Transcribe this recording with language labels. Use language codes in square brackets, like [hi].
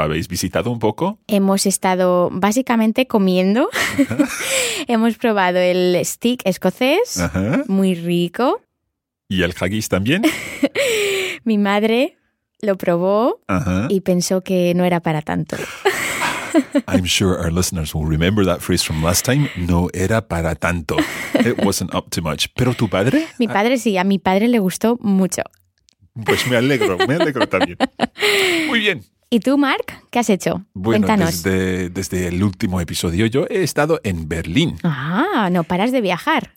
[es] ¿Habéis visitado un poco? Hemos estado básicamente comiendo. Hemos probado el steak escocés, muy rico. ¿Y el haggis también? Mi madre lo probó y pensó que no era para tanto. [en] I'm sure our listeners will remember that phrase from last time. [es] No era para tanto. [en] It wasn't up to much. [es] ¿Pero tu padre? Mi padre sí, a mi padre le gustó mucho. Pues me alegro también. Muy bien. ¿Y tú, Marc? ¿Qué has hecho? Bueno, cuéntanos. Desde el último episodio yo he estado en Berlín. Ah, no paras de viajar.